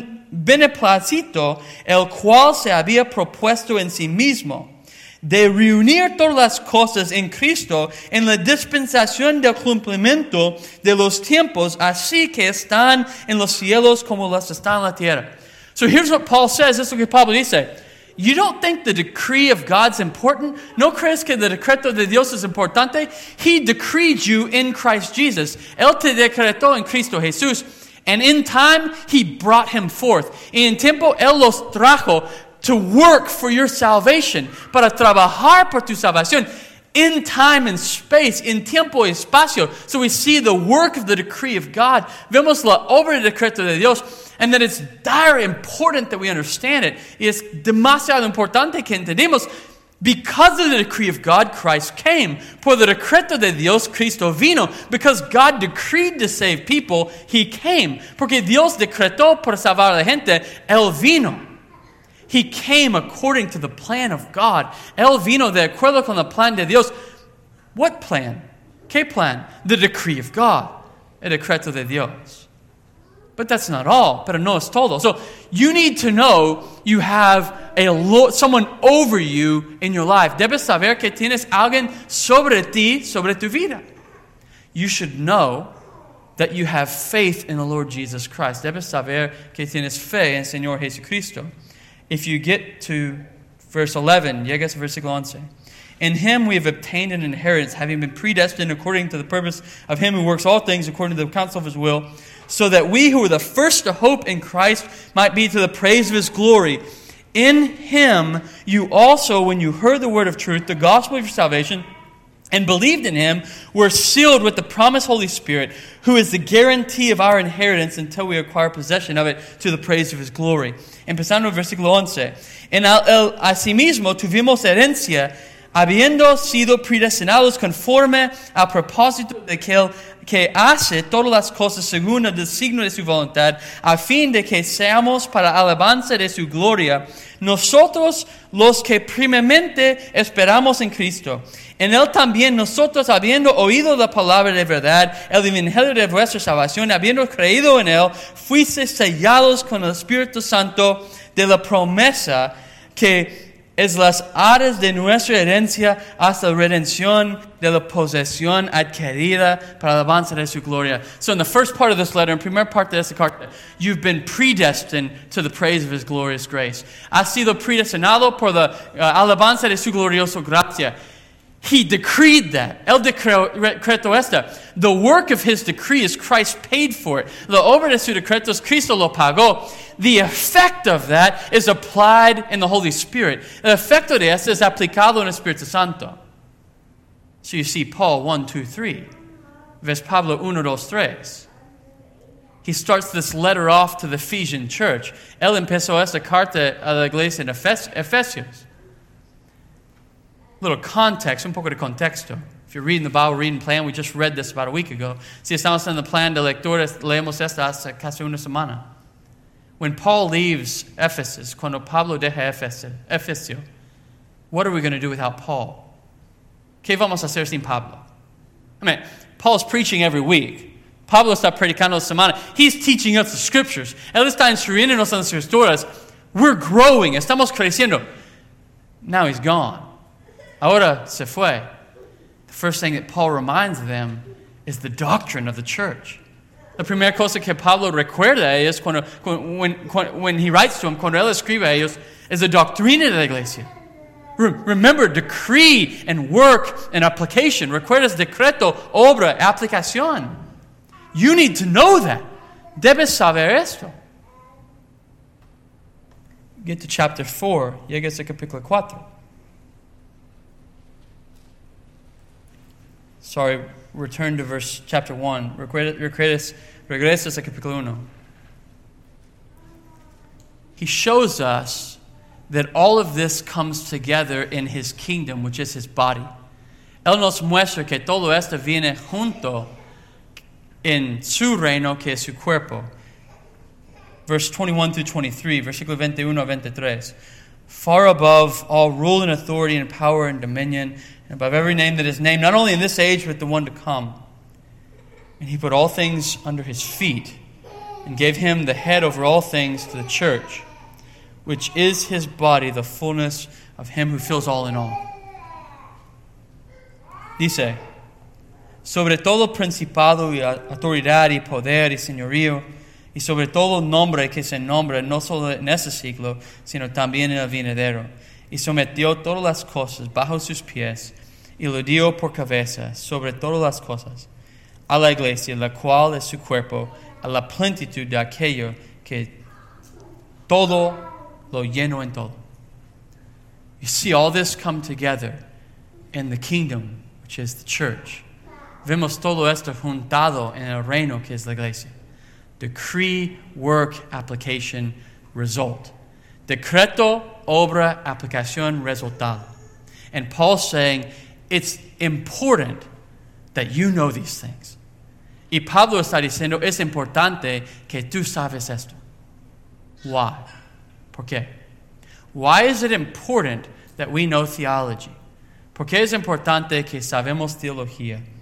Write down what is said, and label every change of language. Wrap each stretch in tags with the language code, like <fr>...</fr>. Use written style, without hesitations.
<es>beneplácito, el cual se había propuesto en sí mismo, de reunir todas las cosas en Cristo en la dispensación del cumplimiento de los tiempos, así que están en los cielos como las están en la tierra.</es> <en>So here's what Paul says.</en> <es>This is what Pablo dice.</es> <en>You don't think the decree of God's important?</en> <es>No crees que el decreto de Dios es importante?</es> <en>He decreed you in Christ Jesus.</en> <es>Él te decretó en Cristo Jesús.</es> <en>And in time, he brought him forth.</en> <es>Y en tiempo, él los trajo</es> <en>to work for your salvation,</en> <es>para trabajar por tu salvación,</es> <en>in time and space,</en> <es>in tiempo y espacio.</es> <en>So we see the work of the decree of God.</en> <es>Vemos la obra del decreto de Dios,</es> <en>and that it's dire important that we understand it.</en> <es>Es demasiado importante que entendamos.</es> <en>Because of the decree of God, Christ came.</en> <es>Por el decreto de Dios, Cristo vino.</es> <en>Because God decreed to save people, he came.</en> <es>Porque Dios decretó por salvar a la gente, él vino.</es> <en>He came according to the plan of God.</en> <es>Él vino de acuerdo con el plan de Dios.</es> <en>What plan?</en> <es>¿Qué plan?</es> <en>The decree of God.</en> <es>El decreto de Dios.</es> <en>But that's not all.</en> <es>Pero no es todo.</es> <en>So you need to know you have someone over you in your life.</en> <es>Debes saber que tienes alguien sobre ti, sobre tu vida.</es> <en>You should know that you have faith in the Lord Jesus Christ.</en> <es>Debes saber que tienes fe en Señor Jesucristo.</es> <en>If you get to verse 11,</en> <es>llegas a versículo 11.</es> <en>In him we have obtained an inheritance, having been predestined according to the purpose of him who works all things according to the counsel of his will, so that we who were the first to hope in Christ might be to the praise of his glory. In him you also, when you heard the word of truth, the gospel of your salvation, and believed in him, were sealed with the promised Holy Spirit, who is the guarantee of our inheritance until we acquire possession of it to the praise of his glory.</en> <es>Empezando en versículo 11. En el asimismo tuvimos herencia, habiendo sido predestinados conforme al propósito de aquel que hace todas las cosas según el designio de su voluntad, a fin de que seamos para alabanza de su gloria, nosotros los que primeramente esperamos en Cristo. En Él también nosotros, habiendo oído la palabra de verdad, el evangelio de vuestra salvación, habiendo creído en Él, fuisteis sellados con el Espíritu Santo de la promesa, que es las áreas de nuestra herencia hasta la redención de la posesión adquirida para el avance de su gloria.</es> <en>So in the first part of this letter,</en> <es>in primera parte de esta carta,</es> <en>you've been predestined to the praise of His glorious grace.</en> <es>Has sido predestinado por la alabanza de su gloriosa gracia.</es> <en>He decreed that.</en> <es>El decreto esta.</es> <en>The work of His decree is Christ paid for it.</en> <es>La obra de su decreto es Cristo lo pagó.</es> <en>The effect of that is applied in the Holy Spirit.</en> <es>El efecto de esto es aplicado en el Espíritu Santo.</es> <en>So you see Paul 1, 2, 3.</en> <es>Ves Pablo 1, 2, 3.</es> <en>He starts this letter off to the Ephesian church.</en> <es>Él empezó esta carta a la iglesia en Efesios.</es> <en>Little context,</en> <es>un poco de contexto.</es> <en>If you're reading the Bible reading plan, we just read this about a week ago.</en> <es>Si estamos en el plan de lectura, leemos esto hace casi una semana.</es> <en>When Paul leaves Ephesus,</en> <es>cuando Pablo deja Efesio,</es> <en>what are we going to do without Paul?</en> <es>¿Qué vamos a hacer sin Pablo?</es> <en>I mean, Paul's preaching every week.</en> <es>Pablo está predicando la semana.</es> <en>He's teaching us the scriptures.</en> <es>Él está instruyéndonos en las escrituras.</es> <en>We're growing.</en> <es>Estamos creciendo.</es> <en>Now he's gone.</en> <es>Ahora se fue.</es> <en>The first thing that Paul reminds them is the doctrine of the church.</en> <es>La primera cosa que Pablo recuerda a ellos</es> <en>when he writes to them,</en> <es>cuando él escribe a ellos, es la doctrina de la iglesia.</es> <en>Remember, decree and work and application.</en> <es>Recuerdas decreto, obra, aplicación.</es> <en>You need to know that.</en> <es>Debes saber esto.</es> <en>Get to chapter 4.</en> <es>Llegas a capítulo 4.</es> <en>Sorry, return to verse chapter 1.</en> <es>Regresas a capítulo 1.</es> <en>He shows us that all of this comes together in His kingdom, which is His body.</en> <es>Él nos muestra que todo esto viene junto en su reino, que es su cuerpo.</es> <en>Verse 21 through 23,</en> <es>versículo 21 a 23.</es> <en>Far above all rule and authority and power and dominion, and above every name that is named, not only in this age, but the one to come. And He put all things under His feet, and gave Him the head over all things to the church, which is His body, the fullness of Him who fills all in all.</en> <es>Dice, sobre todo principado y autoridad y poder y señorío, y sobre todo nombre que se nombra, no solo en ese siglo, sino también en el venidero. Y sometió todas las cosas bajo sus pies, y lo dio por cabeza sobre todas las cosas a la iglesia, la cual es su cuerpo, a la plenitud de aquello que todo lo llenó en todo.</es> <en>You see all this come together in the kingdom, which is the church.</en> <es>Vemos todo esto juntado en el reino que es la iglesia.</es> <en>Decree, work, application, result.</en> <es>Decreto, obra, aplicación, resultado.</es> <en>And Paul's saying, it's important that you know these things.</en> <es>Y Pablo está diciendo, es importante que tú sabes esto.</es> <en>Why? ¿Por qué? Why is it important that we know theology?</en> <es>¿Por qué es importante que sabemos teología?</es>